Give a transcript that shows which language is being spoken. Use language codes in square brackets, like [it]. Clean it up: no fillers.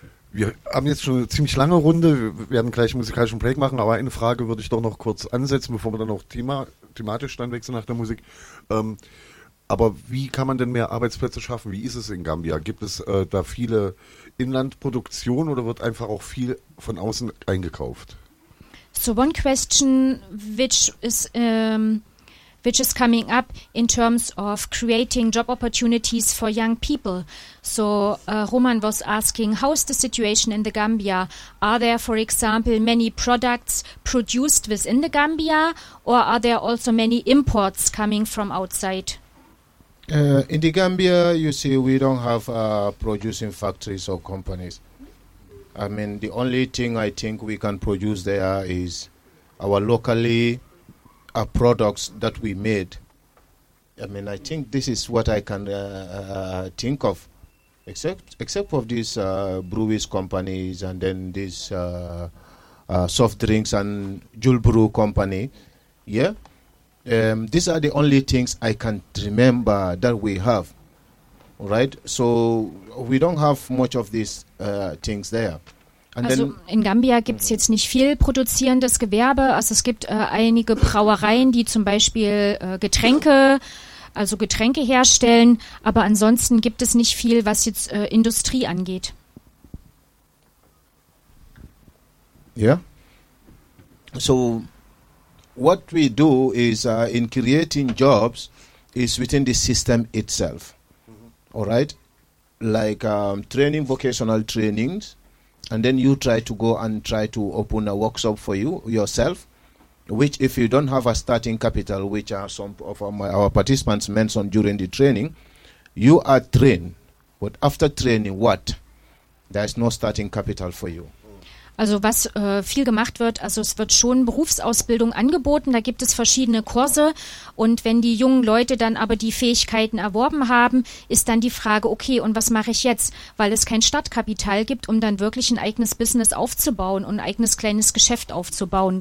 [de] Wir haben jetzt schon eine ziemlich lange Runde, wir werden gleich einen musikalischen Break machen, aber eine Frage würde ich doch noch kurz ansetzen, bevor wir dann auch thematisch dann wechseln nach der Musik. Aber wie kann man denn mehr Arbeitsplätze schaffen? Wie ist es in Gambia? Gibt es da viele Inlandproduktionen oder wird einfach auch viel von außen eingekauft? [en] So one question which is coming up in terms of creating job opportunities for young people. So Roman was asking, how is the situation in the Gambia? Are there, for example, many products produced within the Gambia, or are there also many imports coming from outside? In the Gambia, you see, we don't have producing factories or companies. I mean, the only thing I think we can produce there is our locally are products that we made. I mean, I think this is what I can think of, except of these breweries companies and then these soft drinks and Jules Brew company. Yeah, these are the only things I can remember that we have. All right, so we don't have much of these things there. [de] Also in Gambia gibt es jetzt nicht viel produzierendes Gewerbe. Also es gibt einige Brauereien, die zum Beispiel Getränke herstellen. Aber ansonsten gibt es nicht viel, was jetzt Industrie angeht. Ja. Yeah. [en] So what we do is in creating jobs is within the system itself. All right? Like training, vocational trainings. And then you try to go and try to open a workshop for you yourself, which if you don't have a starting capital, which are some of our participants mentioned during the training, you are trained. But after training, what? There is no starting capital for you. [de] Also was viel gemacht wird, also es wird schon Berufsausbildung angeboten, da gibt es verschiedene Kurse und wenn die jungen Leute dann aber die Fähigkeiten erworben haben, ist dann die Frage, okay, und was mache ich jetzt? Weil es kein Startkapital gibt, um dann wirklich ein eigenes Business aufzubauen und ein eigenes kleines Geschäft aufzubauen.